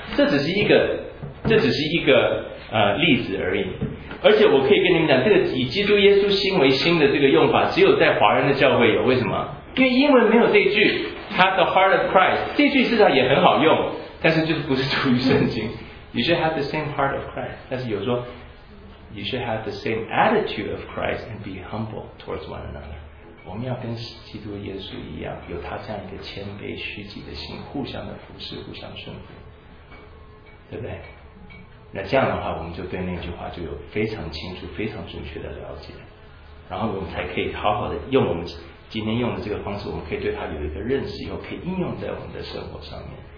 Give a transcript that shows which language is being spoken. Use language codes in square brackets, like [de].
[zh] 这只是一个例子而已。而且我可以跟你们讲，这个以基督耶稣心为心的这个用法，只有在华人的教会有。为什么？因为英文没有这句 [en] Have the heart of Christ， [zh] 这句事实上也很好用，但是就是不是出于圣经。 [en] You should have the same heart of Christ， [zh] 但是有说 [en] You should have the same attitude of Christ and be humble towards one another。 [zh] 我们要跟基督耶稣一样，有他这样一个谦卑虚己的心，互相的服侍，互相顺服，对不对？那这样的话，我们就对那句话就有非常清楚非常准确的了解，然后我们才可以好好的用我们今天用的这个方式，我们可以对他有一个认识，以后可以应用在我们的生活上面。